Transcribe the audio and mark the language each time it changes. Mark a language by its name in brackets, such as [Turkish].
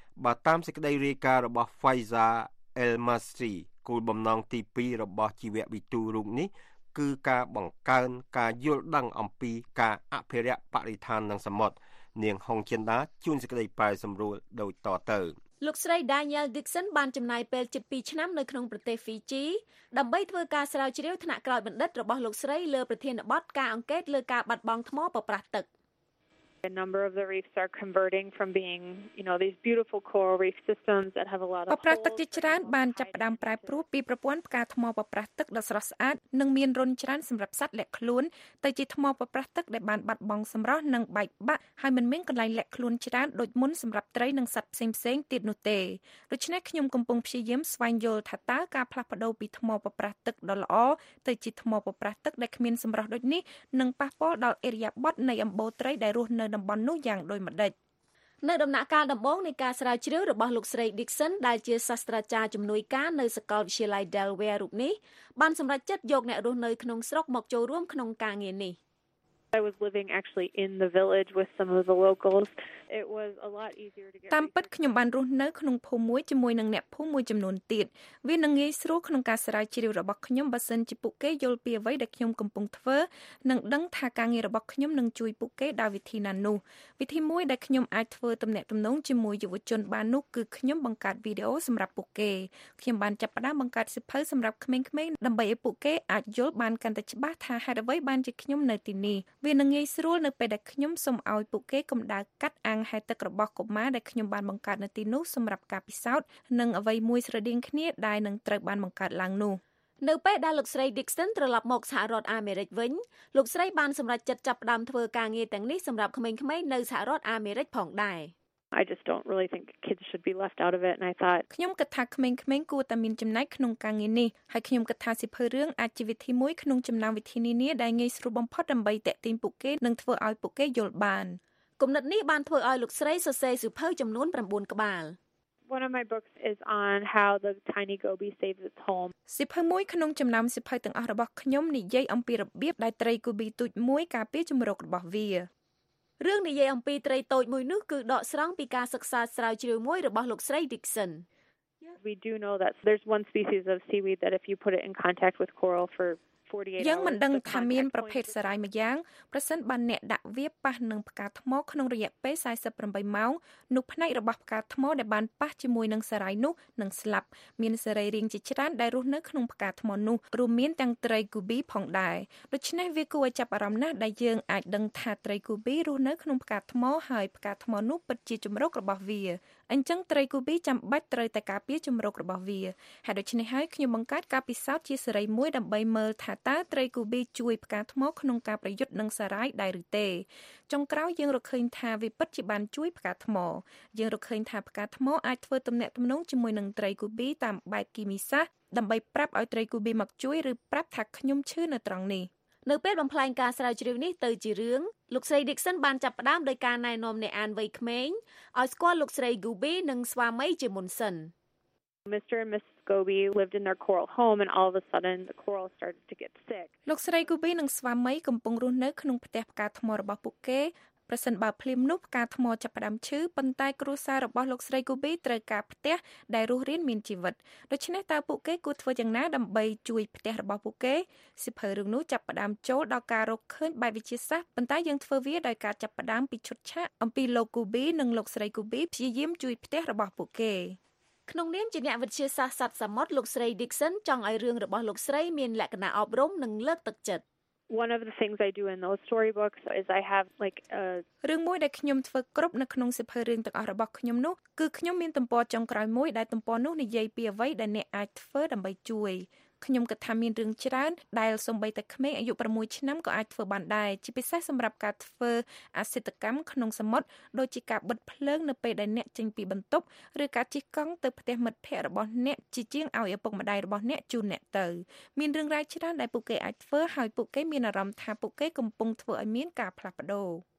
[Khmer] បើតាមសេចក្តីរាយការណ៍របស់ Pfizer Elmastri គោលបំណងទី2របស់ជីវវិទូរូបនេះគឺការបង្កើនការយល់ដឹងអំពីការអភិរក្សបរិស្ថាននិងសមុទ្រនាងហុងចិនដាជួនសេចក្តីប៉ែសម្រួលដូចតទៅ លោកស្រី Daniel Dixon បានចំណាយពេលជិត2ឆ្នាំនៅក្នុងប្រទេស Fiji ដើម្បីធ្វើការស្រាវជ្រាវថ្នាក់ក្រោយបណ្ឌិតរបស់លោកស្រីលើប្រធានបទការអង្កេតលើការបាត់បង់ថ្មប្រប្រាសទឹក [English] The number of the reefs are converting from being, you know, these beautiful coral reef systems that have a lot of [Khmer] ប្រប្រាសទឹកជាច្រើនបានចាប់ផ្ដើមប្រែប្រួលពីប្រព័ន្ធផ្កាថ្មប្រប្រាសទឹកដ៏ស្រស់ស្អាតនិងមានរន្ធច្រើនសម្រាប់សត្វលាក់ខ្លួនទៅជាថ្មប្រប្រាសទឹកដែលបានបាត់បង់សម្រស់និងបែកបាក់ហើយមិនមានកន្លែងលាក់ខ្លួនច្រើនដូចមុនសម្រាប់ត្រីនិងសត្វផ្សេងៗទៀតនោះទេដូច្នេះខ្ញុំកំពុងព្យាយាមស្វែងយល់ថាតើការផ្លាស់ប្ដូរពីថ្មប្រប្រាសទឹកដ៏ល្អទៅជាថ្មប្រប្រាសទឹកដែលគ្មានសម្រស់ដូចនេះនឹងប៉ះពាល់ដល់ឥរិយាបថនៃអម្បូត្រីដែលរស់នៅតំបន់នោះយ៉ាងដូចម្តេច នៅដំណាក់កាលដំបូងនៃការស្រាវជ្រាវរបស់លោកស្រី Dixon ដែលជាសាស្ត្រាចារ្យជំនួយការនៅសាកលវិទ្យាល័យ Delaware រូបនេះបានសម្រេចចិត្តយកអ្នករស់នៅក្នុងស្រុកមកចូលរួមក្នុងការងារនេះ [English] I was living actually in the village with some of the locals it was a lot easier to get [Khmer] តាមពិតខ្ញុំបានរស់នៅក្នុងភូមិមួយជាមួយនឹងអ្នកភូមិមួយចំនួនទៀតវានឹងងាយស្រួលក្នុងការស្រាវជ្រាវរបស់ខ្ញុំបើសិនជាពួកគេយល់ពីអ្វីដែលខ្ញុំកំពុងធ្វើ និងដឹងថាការងាររបស់ខ្ញុំនឹងជួយពួកគេដល់វិធីណានោះវិធីមួយដែលខ្ញុំអាចធ្វើទំនាក់ទំនងជាមួយយុវជនបាននោះគឺខ្ញុំបង្កើតវីដេអូសម្រាប់ពួកគេខ្ញុំបានចាប់ផ្ដើមបង្កើតសៀវភៅសម្រាប់ក្មេងៗដើម្បីឲ្យពួកគេអាចយល់បានកាន់តែច្បាស់ថាហេតុអ្វីបានជាខ្ញុំនៅទីនេះវានឹងងាយស្រួលនៅពេលដែលខ្ញុំសូមឲ្យពួកគេកំដៅកាត់អាងហែលទឹករបស់កុមារដែលខ្ញុំបានបង្កើតនៅទីនោះសម្រាប់ការពិសោធន៍និងអ្វីមួយស្រដៀងគ្នាដែលនឹងត្រូវបានបង្កើតឡើងនោះ នៅពេលដែលលោកស្រី Dixon ត្រឡប់មកសហរដ្ឋអាមេរិកវិញលោកស្រីបានសម្រេចចិត្តចាប់ផ្ដើមធ្វើការងារទាំងនេះសម្រាប់ក្មេងៗនៅសហរដ្ឋអាមេរិកផងដែរ [English] I just don't really think kids should be left out of it and I thought [Khmer] ខ្ញុំគិតថាក្មេងៗគួរតែមានចំណែកក្នុងការងារនេះហើយខ្ញុំគិតថាសិភើរឿងអាចជាវិធីមួយក្នុងចំណោមវិធីនានាដែលងាយស្រួលបំផុតដើម្បីទាក់ទាញពួកគេនិងធ្វើឲ្យពួកគេយល់បាន គំនិតនេះបានធ្វើឲ្យលោកស្រីសរសេរសិភើចំនួន9ក្បាល [English] One of my books is on how the tiny goby saves its home. [Khmer] សិភើមួយក្នុងចំណោមសិភើទាំងអស់របស់ខ្ញុំនិយាយអំពីរបៀបដែលត្រីគូប៊ីទូចមួយការពារជំរករបស់វារឿងនិយាយអំពីត្រីតូចមួយនោះគឺដកស្រង់ពីការសិក្សាស្រាវជ្រាវមួយរបស់លោកស្រី Dixon. [English] We do know that there's one species of seaweed that if you put it in contact with coral for 48 hours. [Khmer] យើងមិនដឹងថាមានប្រភេទសារាយម្យ៉ាងប្រសិនបើអ្នកដាក់វាប៉ះនឹងផ្កាថ្មក្នុងរយៈពេល48ម៉ោងនោះផ្នែករបស់ផ្កាថ្មដែលបានប៉ះជាមួយនឹងសារាយនោះនឹងស្លាប់មានសរីរាង្គជាច្រើនដែលរស់នៅក្នុងផ្កាថ្មនោះរួមមានទាំងត្រីគូប៊ីផងដែរដូច្នេះវាគួរឲ្យចាប់អារម្មណ៍ណាស់ដែលយើងអាចដឹងថាត្រីគូប៊ីរស់នៅក្នុងផ្កាថ្មហើយផ្កាថ្មនោះពិតជាជំរករបស់វា អញ្ចឹងត្រីគូប៊ីចាំបាច់ត្រូវតែការពារជំរករបស់វាហើយដូច្នេះហើយខ្ញុំបង្កើតការពិសោធន៍ជាសរីមួយដើម្បីមើលថាតើត្រីគូប៊ីជួយផ្កាថ្មក្នុងការប្រយុទ្ធនឹងសារាយដែរឬទេ ចុងក្រោយយើងរកឃើញថាវាពិតជាបានជួយផ្កាថ្មយើងរកឃើញថាផ្កាថ្មអាចធ្វើទំនាក់ទំនងជាមួយនឹងត្រីគូប៊ីតាមបែបគីមីសាស្ត្រដើម្បីប្រាប់ឲ្យត្រីគូប៊ីមកជួយឬប្រាប់ថាខ្ញុំឈឺនៅត្រង់នេះ នៅពេលបំផ្លាញការស្រាវជ្រាវនេះទៅជារឿងលោកស្រី Dixon បានចាប់ផ្ដើមដោយការណែនាំអ្នកអានវ័យក្មេងឲ្យស្គាល់លោកស្រី Goby និងស្វាមីជាមុនសិន [English] Mr. and Mrs. Goby lived in their coral home and all of a sudden the coral started to get sick [Khmer] លោកស្រី Goby និងស្វាមីកំពុងរស់នៅក្នុងផ្ទះផ្កាថ្មរបស់ពួកគេប្រ រសិនបើភ្លៀមនោះផ្កាថ្មចាប់ផ្ដើមឈឺប៉ុន្តែគ្រួសាររបស់លោកស្រីគូប៊ីត្រូវការផ្ទះដែលរស់រានមានជីវិតដូច្នេះតើពួកគេគួរធ្វើយ៉ាងណាដើម្បីជួយផ្ទះរបស់ពួកគេសិភៅរឿងនោះចាប់ផ្ដើមចូលដល់ការរកឃើញបែបវិទ្យាសាស្ត្រប៉ុន្តែយើងធ្វើវាដោយការចាប់ផ្ដើមពីឈុតឆាកអំពីលោកគូប៊ីនិងលោកស្រីគូប៊ីព្យាយាមជួយផ្ទះរបស់ពួកគេ ក្នុងនាមជាអ្នកវិទ្យាសាស្ត្រសត្វសមុទ្រលោកស្រី Dixon ចង់ឲ្យរឿងរបស់លោកស្រីមានលក្ខណៈអប់រំនិងលើកទឹកចិត្ត [English] One of the things I do in those storybooks is I have like a [Khmer] រឿងមួយដែលខ្ញុំធ្វើគ្រប់នៅក្នុងសៀវភៅរឿងទាំងអស់របស់ខ្ញុំនោះគឺខ្ញុំមានទំព័រចុងក្រោយមួយដែលទំព័រនោះនិយាយពីអ្វីដែលអ្នកអាចធ្វើដើម្បីជួយខ្ញុំគិតថាមានរឿងច្រើនដែលសម្បីតែក្មេងអាយុ6ឆ្នាំក៏អាចធ្វើបានដែរជាពិសេសសម្រាប់ការធ្វើអាសិតកម្មក្នុងសមុទ្រដូចជាការបិទភ្លើងនៅពេលដែលអ្នកចេញពីបន្ទប់ឬការជិះកង់ទៅផ្ទះមិត្តភ័ក្តិរបស់អ្នកជាជាងឲ្យឪពុកម្ដាយរបស់អ្នកជូនអ្នកទៅមានរឿងរ៉ាវច្រើនដែលពួកគេអាចធ្វើហើយពួកគេមានអារម្មណ៍ថាពួកគេកំពុងធ្វើឲ្យមានការផ្លាស់ប្ដូរ